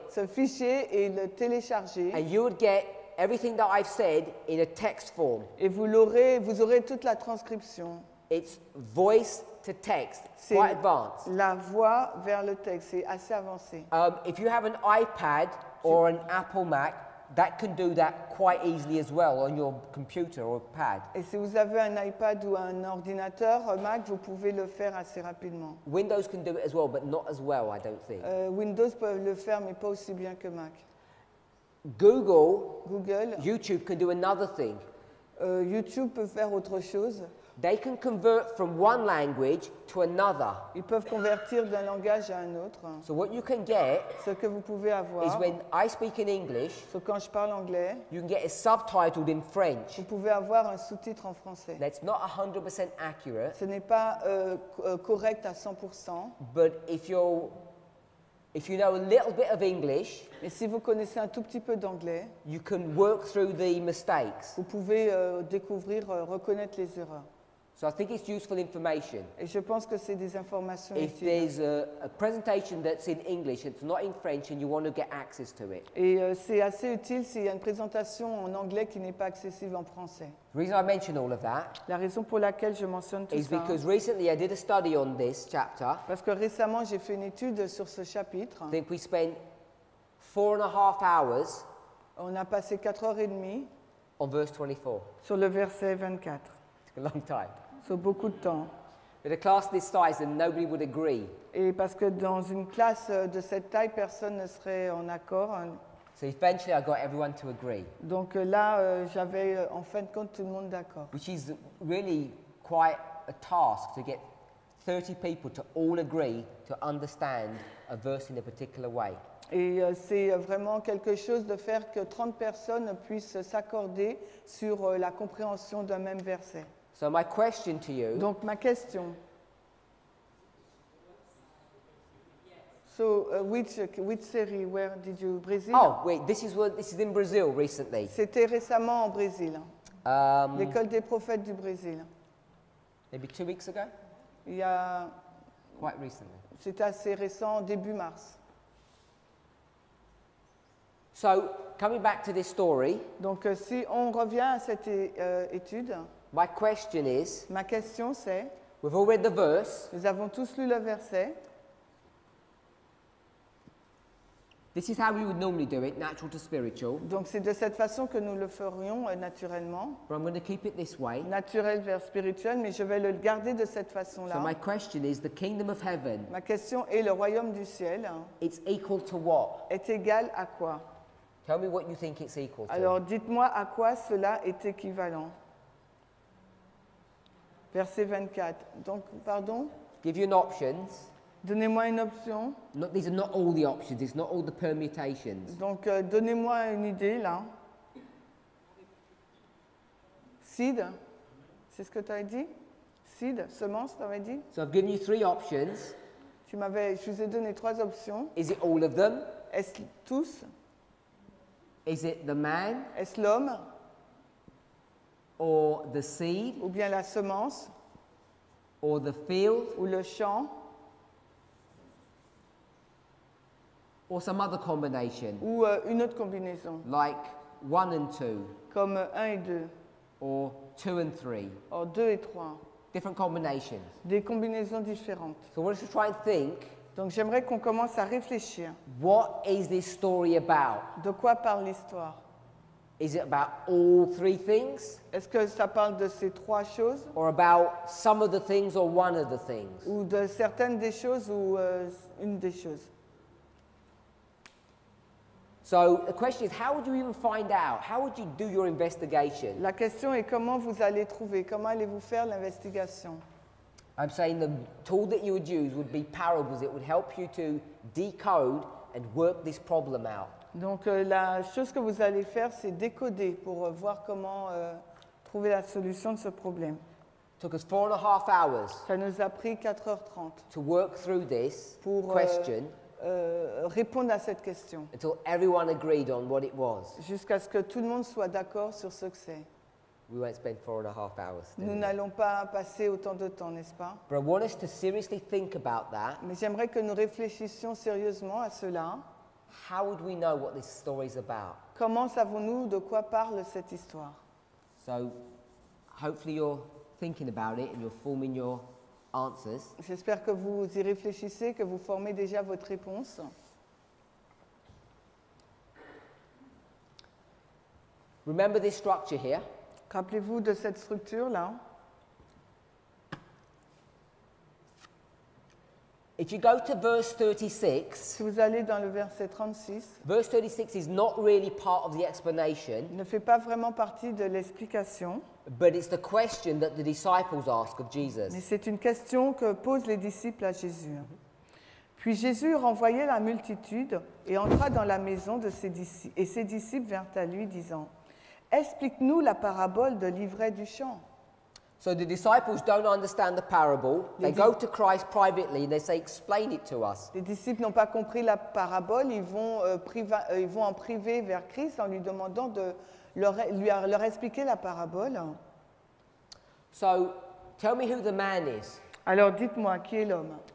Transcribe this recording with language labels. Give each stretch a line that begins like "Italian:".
French: ce fichier et le télécharger.
English: And you would get everything that I've said in a text form.
French: Et vous aurez toute la transcription.
English: It's voice to text.
French: C'est
English: quite advanced.
French: La voix vers le texte, c'est assez avancé.
English: If you have an iPad or an Apple Mac, that can do that quite easily as well on your computer or pad.
French: Et si vous avez un iPad ou un ordinateur Mac, vous pouvez le faire assez rapidement.
English: Windows can do it as well, but not as well, I don't think.
French: Windows peut le faire, mais pas aussi bien que Mac.
English: Google, YouTube can do another thing.
French: YouTube peut faire autre chose.
English: They can convert from one language to another.
French: Ils peuvent convertir d'un langage à un autre.
English: So what you can get,
French: ce que vous pouvez avoir,
English: is when I speak in English,
French: so quand je parle anglais,
English: you can get it subtitled in French.
French: Vous pouvez avoir un sous-titre en français.
English: That's not 100% accurate.
French: Ce n'est pas correct à 100%.
English: But if you know a little bit of English,
French: et si vous connaissez un tout petit peu d'anglais,
English: you can work through the mistakes.
French: Vous pouvez découvrir, reconnaître les erreurs.
English: So I think it's useful information.
French: Et je pense que c'est des informations utiles.
English: If there's a presentation that's in English, it's not in French, and you want to get access to it.
French: Et c'est assez utile s'il y a une présentation en anglais qui n'est pas accessible en français.
English: The reason I mention all of that,
French: la raison pour laquelle je mentionne tout
English: is
French: ça,
English: because recently I did a study on this chapter.
French: Parce que récemment j'ai fait une étude sur ce chapitre.
English: I think we spent 4.5 hours.
French: On a passé 4h30.
English: On verse 24.
French: Sur le verset 24.
English: A long time.
French: So beaucoup de temps.
English: With a class this size, then nobody would agree.
French: Et parce que dans une classe de cette taille, personne ne serait en accord.
English: So eventually, I got everyone to agree.
French: Donc là, j'avais en fin de compte tout le monde d'accord.
English: Which is really quite a task to get 30 people to all agree to understand a verse in a particular way.
French: Et c'est vraiment quelque chose de faire que 30 personnes puissent s'accorder sur la compréhension d'un même verset.
English: So my question to you,
French: donc ma question.
English: So which series, where did you, Brazil? Oh, wait, this is in Brazil recently.
French: C'était récemment en Brésil. L'école des prophètes du Brésil.
English: Maybe 2 weeks ago? Quite recently.
French: C'était assez récent, début mars.
English: So, coming back to this story.
French: Donc, si on revient à cette étude.
English: My question is.
French: Ma question c'est.
English: We've all read the verse.
French: Nous avons tous lu le verset.
English: This is how we would normally do it, natural to spiritual.
French: Donc, c'est de cette façon que nous le ferions naturellement.
English: But I'm going to keep it this way.
French: Naturel vers spirituel, mais je vais le garder de cette façon-là.
English: So my question is the kingdom of heaven.
French: Ma question est le royaume du ciel.
English: It's equal to what?
French: Est égal à quoi?
English: Tell me what you think it's equal to.
French: Alors, dites-moi à quoi cela est équivalent. Verset 24. Donc, pardon.
English: Give you an option.
French: Donnez-moi une option.
English: No, these are not all the options. It's not all the permutations.
French: Donc, donnez-moi une idée, là. Seed. C'est ce que tu as dit? Seed, semence, tu avais dit?
English: So, I've given you 3 options.
French: Je vous ai donné 3 options.
English: Is it all of them?
French: Est-ce tous?
English: Is it the man?
French: Est-ce l'homme?
English: or the seed,
French: ou bien la semence,
English: or the field,
French: ou le champ,
English: or some other combination,
French: ou une autre combinaison,
English: like one and two,
French: comme un et deux,
English: or two and three,
French: or deux et trois,
English: different combinations,
French: des combinaisons différentes.
English: So we're just trying to think.
French: Donc j'aimerais qu'on commence à réfléchir.
English: What is this story about?
French: De quoi parle l'histoire?
English: Is it about all three things?
French: Est-ce que ça parle de ces trois choses?
English: Or about some of the things or one of the things?
French: Ou de certaines des choses ou une des choses?
English: So the question is, how would you even find out? How would you do your investigation?
French: La question est comment vous allez trouver? Comment allez-vous faire l'investigation?
English: I'm saying the tool that you would use would be parables. It would help you to decode and work this problem out.
French: Donc la chose que vous allez faire, c'est décoder pour voir comment trouver la solution de ce problème.
English: Took us 4.5 hours.
French: Ça nous a pris 4h30.
English: To work through this
French: pour,
English: question.
French: Répondre à cette question.
English: Until everyone agreed on what it was.
French: Jusqu'à ce que tout le monde soit d'accord sur ce que c'est.
English: We won't spend 4.5 hours.
French: Nous n'allons pas passer autant de temps, n'est-ce pas?
English: But I want us to seriously think about that.
French: Mais j'aimerais que nous réfléchissions sérieusement à cela.
English: How would we know what this story is about?
French: Comment savons-nous de quoi parle cette histoire?
English: So, hopefully you're thinking about it and you're forming your answers.
French: J'espère que vous y réfléchissez, que vous formez déjà votre réponse.
English: Remember this structure here.
French: Rappelez-vous de cette structure-là.
English: If you go to verse 36,
French: si vous allez dans le verset 36,
English: verse 36 is not really part of the explanation,
French: ne fait pas vraiment partie de l'explication,
English: but it's the question that the disciples ask of Jesus.
French: Mais c'est une question que posent les disciples à Jésus. Puis Jésus renvoya la multitude et entra dans la maison de ses disciples. Et ses disciples vinrent à lui disant, explique-nous la parabole de l'ivraie du champ.
English: So the disciples don't understand the parable. They go to Christ privately and they say, explain it to us.
French: Les disciples n'ont pas compris la parabole. Ils vont en privé vers Christ en lui demandant de leur expliquer la parabole.
English: So tell me who the man is.
French: Alors dites-moi qui est l'homme.